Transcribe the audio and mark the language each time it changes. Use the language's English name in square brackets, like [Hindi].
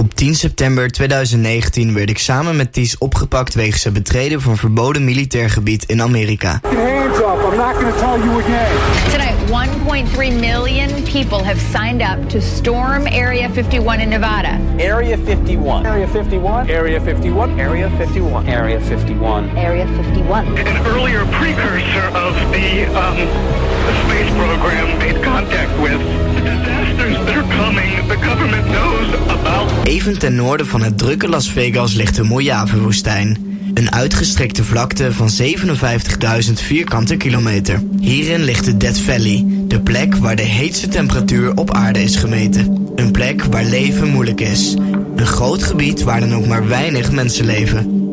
[Dutch] September 2019 werd ik samen met Ties opgepakt wegens het betreden van verboden militair gebied in Amerika. [English] Hands up, I'm not gonna tell you again. Tonight, 1.3 million people have signed up to storm Area 51 in Nevada. Area 51. Area 51. Area 51. Area 51. Area 51. Area 51. Area 51. An earlier precursor of the space program made contact with. [Dutch] Even ten noorden van het drukke Las Vegas ligt de Mojave-woestijn. Een uitgestrekte vlakte van 57.000 vierkante kilometer. Hierin ligt de Death Valley, de plek waar de heetste temperatuur op aarde is gemeten. Een plek waar leven moeilijk is. Een groot gebied waar dan ook maar weinig mensen leven.